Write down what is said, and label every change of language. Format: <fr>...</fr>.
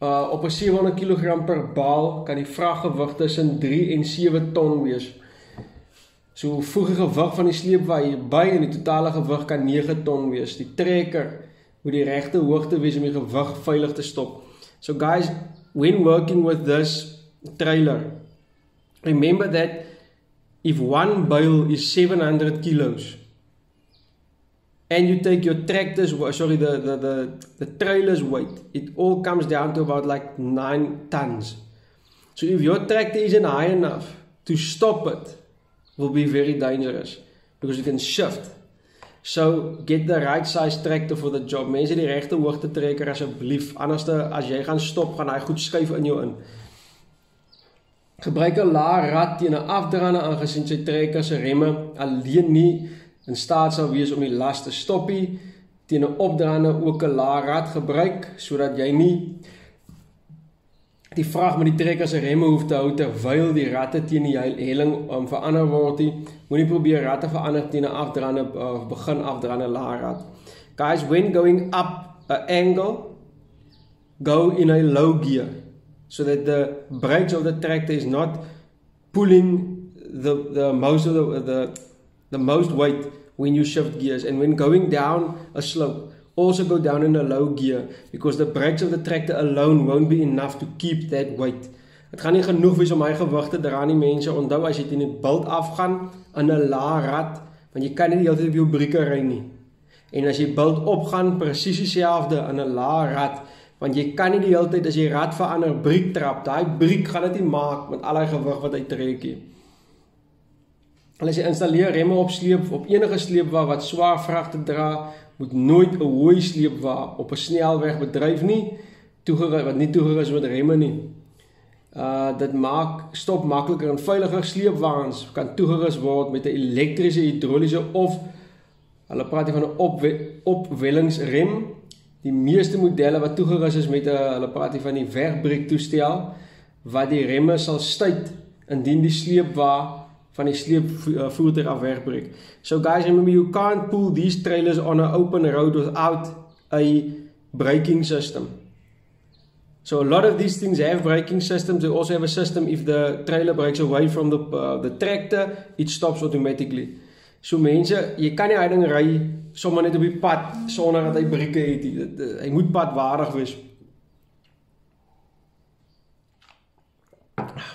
<af>Op 'n 700 kg per baal kan die vraggewig tussen 3 en 7 ton wees. So voeg die gewig van die sleepwa hierby en die totale gewig kan 9 ton wees. Die trekker moet die regte hoogte wees om die gewig veilig te stop.</af> <en>So guys, when working with this trailer, remember that if one bale is 700 kilos and you take your tractor's, sorry, the trailer's weight, it all comes down to about like 9 tons. So if your tractor isn't high enough to stop it, will be very dangerous because you can shift. So get the right size tractor for the job.</en> <af>Mense, die regte hoogte trekker asseblief. Anders as jy gaan stop, gaan hy goed skuif in jou in. Gebruik 'n laar rad teen 'n afdraande aangesien sy trekker se remme alleen nie in staat sal wees om die las te stop nie. Teen 'n opdraande ook 'n laar rad gebruik sodat jy nie die vraag met die trekker se remme hoef te hou terwyl die ratte teen die helling verander word. Moenie probeer ratte verander teen 'n afdraande of begin afdraande laar rat.</af> <en>Guys, when going up an angle, go in a low gear so that the brakes of the tractor is not pulling the most weight when you shift gears. And when going down a slope, also go down in a low gear, because the brakes of the tractor alone won't be enough to keep that weight.</en> <af>Het gaan nie genoeg wees om hy gewig te dra nie, mense. Onthou, as jy teen die bult afgaan in 'n laar rad, want jy kan nie die hele tyd op jou brieke ry nie. En as jy bult opgaan, presies dieselfde in 'n laar rad, want jy kan nie die hele tyd as jy rad verander briek trap. Daai briek gaan dit nie maak met al hy gewig wat hy trek nie. As jy installeer remme op sleep, op enige sleepwa wat swaar vrag te dra, moet nooit 'n hooi sleepwa op 'n snelweg bedryf nie, wat nie toegerus met remme nie. Dit maak stop makliker en veiliger. Sleepwaans kan toegerus word met 'n elektriese, hidroliese of hulle praat hier van 'n opwellingsrem. Die meeste modelle wat toegerus is met 'n hulle praat hier van die wegbreektoestel wat die remme sal stuit indien die sleepwa van die sleepvoertuig af wegbreek.</af> <en>So guys, remember, you can't pull these trailers on an open road without a braking system. So a lot of these things have braking systems. They also have a system if the trailer breaks away from the tractor, it stops automatically.</en> <af>So mense, jy kan nie hierdie ding ry sommer net op die pad sonder dat hy brieke het. Hy moet padwaardig wees.</af>